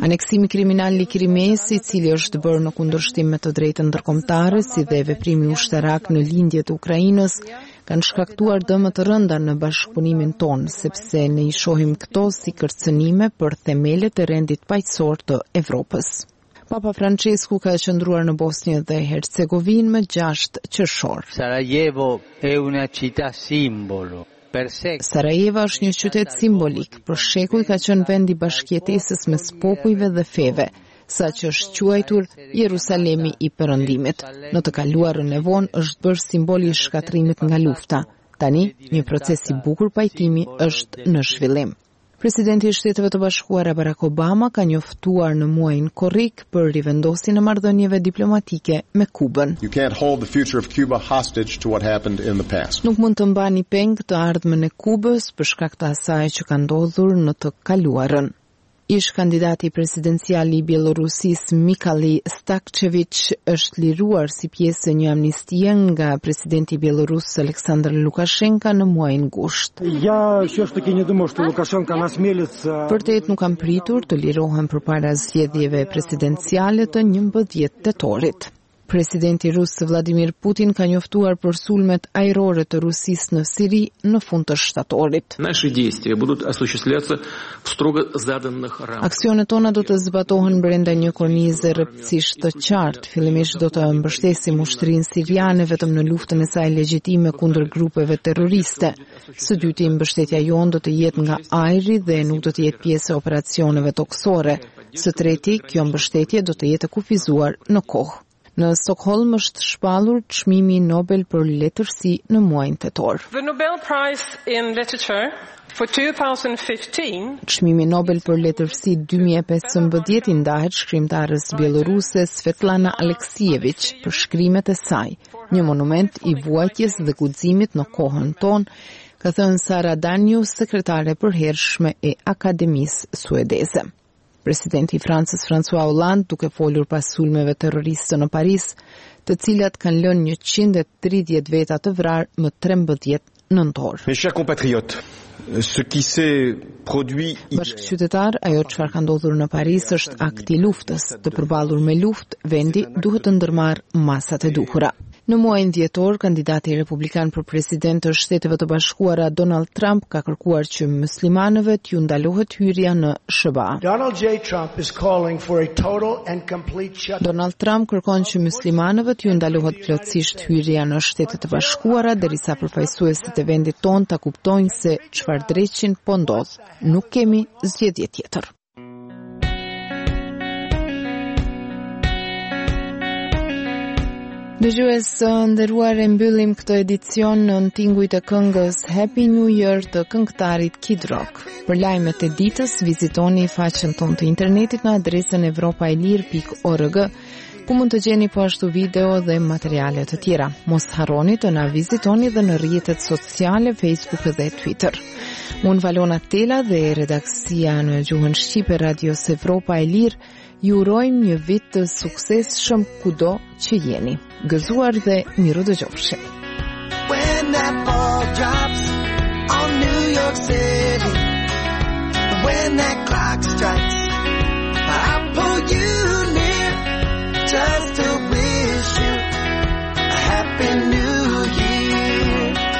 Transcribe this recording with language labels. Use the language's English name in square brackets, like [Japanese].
[Albanian] Aneksimi kriminal i Krimes, i cili është bërë në kundërshtim me të drejtën ndërkombëtare, si dhe veprimi ushtarak në lindje të Ukrainës, kanë shkaktuar dëmë të rënda në bashkëpunimin ton, sepse ne i shohim këto si kërcënime për themelet e rendit paqësor të Evropës. Papa Francesku ka qëndruar në Bosnjë dhe Hercegovinë më 6 qershor. [Italian] Sarajevo è una città simbolo. [Albanian] Sarajevo është një qytet simbolik, për shekuj ka qenë vendi bashkëjetesës mes popujve dhe feve, sa që është quajtur Jerusalemi i Perëndimit. Në të kaluarën e vonë është bërë simboli i shkatrimit nga lufta. Tani, një proces i bukur pajtimi është në zhvillim. Presidenti i Shteteve të Bashkuara Barack Obama ka njoftuar në muajin korrik për rivendosjen e marrëdhënieve diplomatike me Kubën. [English] You can't hold the future of Cuba hostage to what happened in the past. [Albanian] Nuk mund të mbani peng të ardhmen e Kubës për shkak të asaj që ka ndodhur në të kaluarën. Ish kandidati presidencial i Bielorusis Mikhail Stakcevich është liruar si pjesë e një amnistie nga presidenti Bielorus Aleksandr Lukashenka në muajin gusht. Ja, çështë nuk e mendoj se Lukashenka na smelëca. Vërtet nuk kam pritur të lirohen përpara zgjedhjeve presidenciale të 11 tetorit. presidenti rus Vladimir Putin ka njoftuar për sulmet ajrore të Rusisë në Siri në fund të shtatorit. [Russian] Наши действия будут осуществляться в строго заданных рамках. [Albanian] Aksionet tona do të zbatohen brenda një kornize rrëpësisht të qartë. Fillimisht do të mbështesim ushtrinë siriane vetëm në luftën e saj legjitime kundër grupeve terroriste. Së dyti, mbështetja jonë do të jetë nga ajri dhe nuk do të jetë pjesë e operacioneve toksore. Së treti, kjo mbështetje do të jetë kufizuar në kohë. Në Stockholm është shpallur çmimi Nobel për letërsi në muajin tetor. [English] The Nobel Prize in Literature for 2015. [Albanian] Çmimi Nobel për letërsi 2015 i ndahet shkrimtarës bieloruse Svetlana Aleksijevich për shkrimet e saj, një monument i vuajtjes dhe guximit në kohën tonë, ka thënë Sara Danju, sekretare përhershme e Akademisë Suedeze. Presidenti i Francës François Hollande, duke folur pas sulmeve terroriste në Paris, të cilat kanë lënë 130 veta të vrarë më 13 nëntor. [French] Mes chers compatriotes, ce qui s'est produit [Albanian] bashkëqytetar, ajo çfarë ka ndodhur në Paris është akt i luftës. Të përballur me luftë, vendi duhet të ndërmarrë masat e duhura. Në muajin dhjetor, kandidati republikan për president të Shteteve të Bashkuara Donald Trump ka kërkuar që muslimanëve t'ju ndalohet hyrja në SHBA. [English] Donald J. Trump is calling for a total and complete shutdown. [Albanian] Donald Trump kërkon që muslimanëve t'ju ndalohet plotësisht hyrja në Shtetet të Bashkuara derisa përfaqësuesit e vendit ton ta kuptojnë se çfarë dreqin po ndodh. Nuk kemi zgjedhje tjetër. Dëgjues të nderuar, e mbyllim këtë edicion në tingujt të këngës Happy New Year të këngëtarit Kid Rock. Për lajmet e ditës, vizitoni faqen tonë të internetit në adresën evropaelir.org, ku mund të gjeni po ashtu video dhe materialet të tjera. Mos harroni të na vizitoni dhe në rrjetet sociale Facebook dhe Twitter. Unë Valona Tela dhe redaksia në gjuhën Shqipe Radios Evropa e Lirë, ju urojmë një vit të suksesshëm kudo që jeni. Gëzuar dhe miru dëgjofshe. [English] When that ball drops on New York City, when that clock strikes, I'll pull you near just to wish you a happy new year.